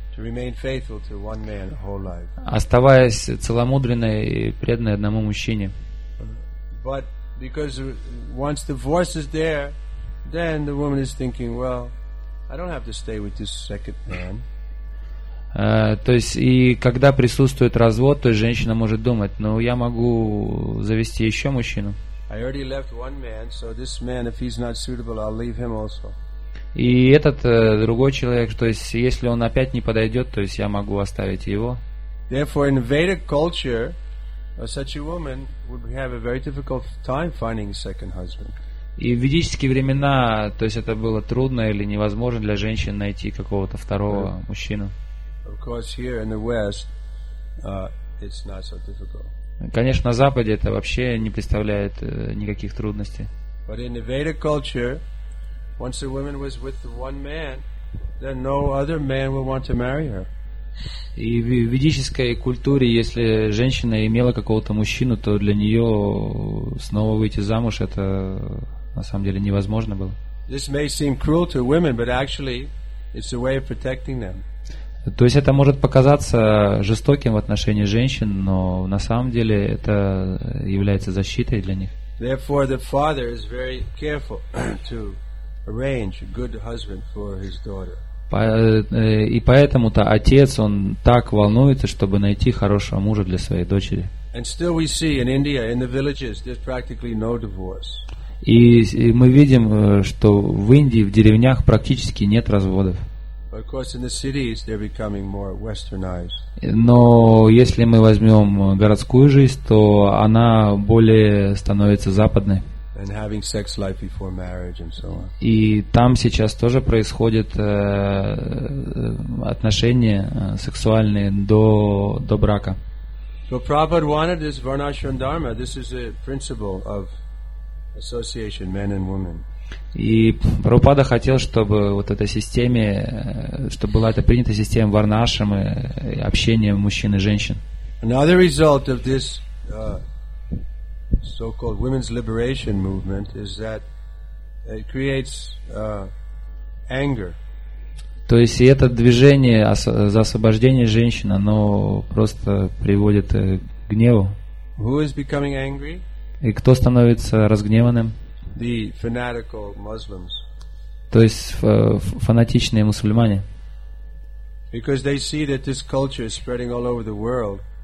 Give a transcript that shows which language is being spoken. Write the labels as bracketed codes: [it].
[en] To remain faithful to one man the whole life. [ru] Оставаясь целомудренной и преданной одному мужчине. [en] But because once divorce is there, then the woman is thinking, well, I don't have to stay with this second man. [ru] То есть и когда присутствует развод, то женщина может думать, ну я могу завести еще мужчину. [en] I already left one man, so this man, if he's not suitable, I'll leave him also. [ru] И этот другой человек, то есть если он опять не подойдет, то есть я могу оставить его. [en] Therefore, in Vedic culture, such a woman would have a very difficult time finding a second husband. [ru] И в ведические времена, то есть это было трудно или невозможно для женщин найти какого-то второго мужчину. [en] Of course, here in the West, it's not so difficult. [ru] Конечно, на Западе это вообще не представляет никаких трудностей. [en] But in the Vedic culture, once a woman was with one man, then no other man will want to marry her. [ru] И в ведической культуре, если женщина имела какого-то мужчину, то для нее снова выйти замуж это на самом деле невозможно было. [en] This may seem cruel to women, but actually, it's a way of protecting them. [ru] То есть это может показаться жестоким в отношении женщин, но на самом деле это является защитой для них. [en] Therefore, the father is very careful to arrange a good husband for his daughter. [ru] И поэтому-то отец, он так волнуется, чтобы найти хорошего мужа для своей дочери. [en] And still we see in India, in the villages, there's practically no divorce. [ru] И мы видим, что в Индии, в деревнях практически нет разводов. [en] But of course, in the cities, they're becoming more westernized. [ru] Но если мы возьмем городскую жизнь, то она более становится западной. [en] And having sex life before marriage and so on. [ru] И там сейчас тоже происходят отношения сексуальные до брака. [en] So Prabhupada wanted this Varnashram Dharma. This is a principle of association, men and women. [ru] И Прабхупада хотел, чтобы вот эта система, чтобы была эта принята система варнашрамы и общения мужчин и женщин. [en] Another result of this so-called women's liberation movement is that it creates anger. [ru] То есть и это движение за освобождение женщин, оно просто приводит к гневу. [en] Who is becoming angry? [ru] И кто становится разгневанным? [en] The fanatical Muslims. [ru] То есть фанатичные мусульмане. [en] Because they see that this culture is spreading all over the world.